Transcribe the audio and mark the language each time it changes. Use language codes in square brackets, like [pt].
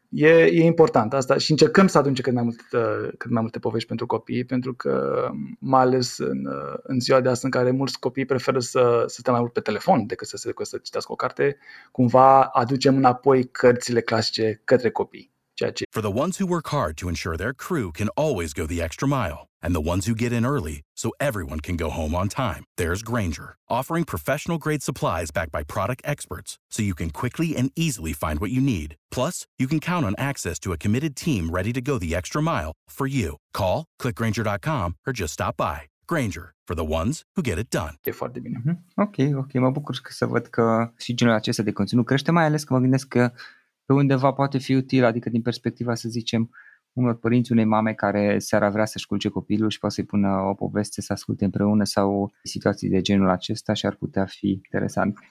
[ro] E important asta și încercăm să aducem cât mai multe povești pentru copii, pentru că mai ales în ziua de astăzi, în care mulți copii preferă să stea mai mult pe telefon decât să citească o carte, cumva aducem înapoi cărțile clasice către copii. Ceea ce... [en] For the ones who work hard to ensure their crew can always go the extra mile, and the ones who get in early so everyone can go home on time, there's Grainger, offering professional-grade supplies backed by product experts so you can quickly and easily find what you need. Plus, you can count on access to a committed team ready to go the extra mile for you. Call, click Grainger.com, or just stop by. Grainger, for the ones who get it done. [ro] E foarte bine. Ok, mă bucur că să văd că și genul acesta de conținut crește, mai ales că mă gândesc că pe undeva poate fi util, adică din perspectiva, să zicem, unor părinți, unei mame care seara vrea să-și culce copilul și poate să-i pună o poveste să asculte împreună sau situații de genul acesta și ar putea fi interesant.